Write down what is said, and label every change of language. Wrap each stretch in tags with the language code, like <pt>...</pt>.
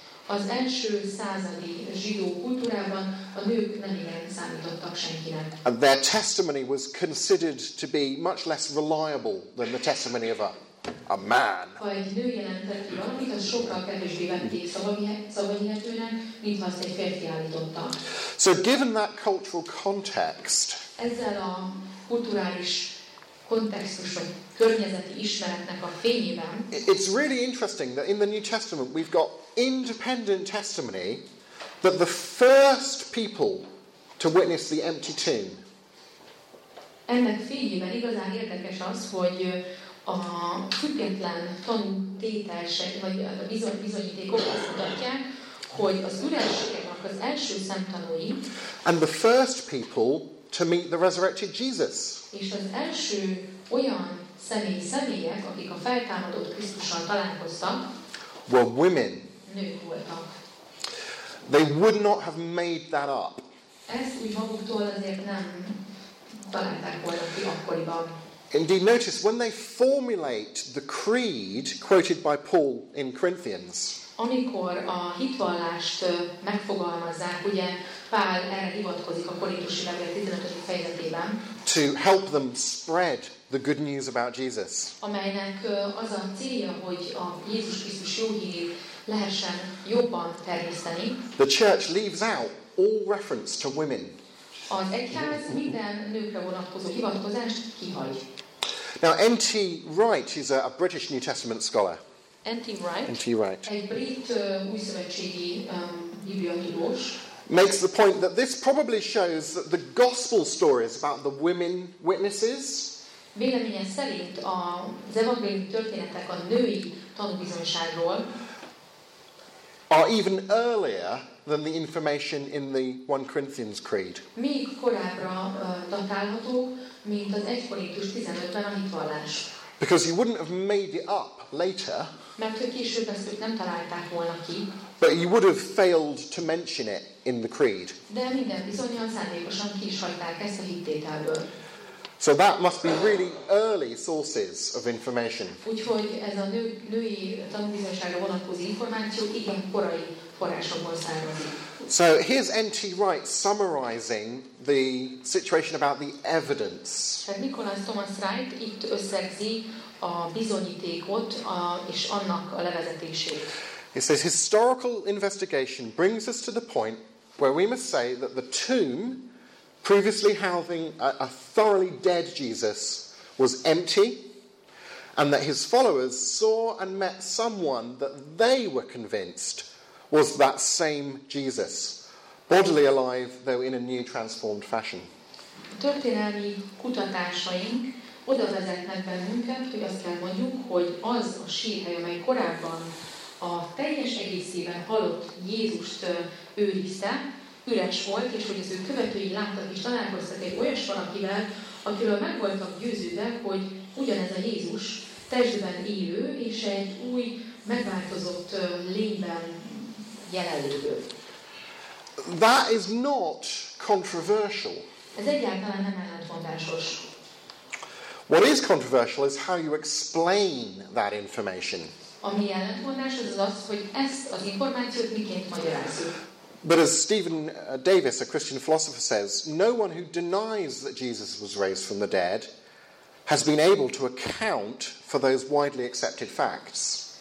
<hu>Az első századi zsidó kultúrában a nők nem igen számítottak senkinek.</hu> <en>And their testimony was considered to be much less reliable than the testimony of a man.</en> <hu>Ha egy nő jelentett ki valamit, az sokkal kevésbé vették szavahihetőnek, mint ha azt egy férfi állította.</hu> <en>So given that cultural context,</en> <hu>ezzel a kulturális kontextus vagy környezeti ismeretnek a fényében,</hu> <en>it's really interesting that in the New Testament we've got independent testimony that the first people to witness the empty tomb.</en> <hu>Ennek fényében igazán érdekes az, hogy a független tanútételsek, vagy a bizonyítékok azt mutatják, hogy az ürességnek az első szemtanúi,</hu> <en>and the first people to meet the resurrected Jesus.</en> <hu>És az első olyan személyek, akik a feltámadott Krisztussal találkoztak,</hu> <en>were women.</en> <hu>Nők voltak.</hu> <en>They would not have made that up.</en> <hu>Ezt úgy maguktól azért nem találták volna ki akkoriban.</hu> <en>Indeed, notice when they formulate the creed quoted by Paul in Corinthians.</en> <hu>Amikor a hitvallást megfogalmazzák, ugye Pál erre hivatkozik a korintusi levél 15. fejezetében.</hu> <en>To help them spread the good news about Jesus.</en> <hu>Amelynek az a célja, hogy a Jézus Krisztus jó hírét lehessen jobban terjeszteni.</hu> <en>The church leaves out all reference to women.</en> <hu>Az egyház minden nőkre vonatkozó hivatkozást kihagy.</hu> <en>Now, N.T. Wright is a British New Testament scholar. N.T. Wright.</en> <hu>Egy brit újszövetségi bibliatudós.</hu> <en>Makes the point that this probably shows that the gospel stories about the women witnesses.</en> <hu>Véleménye szerint az evangéliumi történetek a női tanúbizonyságról.</hu> <en>Are even earlier than the information in the 1 Corinthians creed.</en> <hu>Még korábbra datálható, mint az 1 Korintus 15-ben a hitvallás.</hu> <en>Because you wouldn't have made it up later.</en> <hu>Mert hogy később ezt ők nem találták volna ki.</hu> <en>But you would have failed to mention it in the creed.</en> <hu>De minden bizonyan szándékosan ki is hagyták ezt a hittételből.</hu> <en>So that must be really early sources of information.</en> <hu>Úgyhogy ez a női tanúbizonyságra vonatkozó információ igen korai forrásokból származik.</hu> <en>So here's N.T. Wright summarizing the situation about the evidence.</en> <hu>Tehát Nicholas Thomas Wright itt összegzi a bizonyítékot és annak a levezetését.</hu> <en>It says historical investigation brings us to the point where we must say that the tomb previously housing a thoroughly dead Jesus was empty, and that his followers saw and met someone that they were convinced was that same Jesus, bodily alive, though in a new transformed fashion.</en> <hu>Történelmi kutatásaink oda vezetnek bennünket, hogy azt kell mondjuk, hogy az a sírhely, amely korábban a teljes egészében halott Jézust őrizte, üres volt, és hogy az ő követői láttak és találkoztak egy olyas valakivel, akiről meg voltak győződve, hogy ugyanez a Jézus testben élő és egy új, megváltozott lényben jelenlévő.</hu> <en>That is not controversial.</en> <hu>Ez egyáltalán nem ellentmondásos.</hu> <en>What is controversial is how you explain that information.</en> <hu>Ami ellentmondás az az, hogy ezt az információt miként magyarázzuk.</hu> <en>But as Stephen Davis, a Christian philosopher, says, no one who denies that Jesus was raised from the dead has been able to account for those widely accepted facts.</en>